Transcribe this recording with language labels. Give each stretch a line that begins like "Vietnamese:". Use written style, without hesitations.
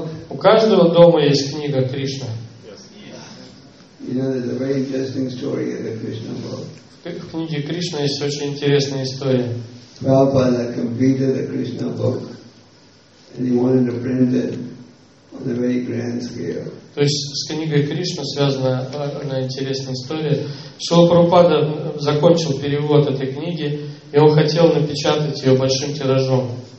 Russian: У каждого дома есть книга Кришна. В книге Кришна есть очень интересная история.
English: Прабхупада completed the Krishna book and he wanted to print it on a very grand scale.
Russian: То есть с книгой Кришна связана одна интересная история. Шрила Прабхупада закончил перевод этой книги, и он хотел напечатать ее большим тиражом.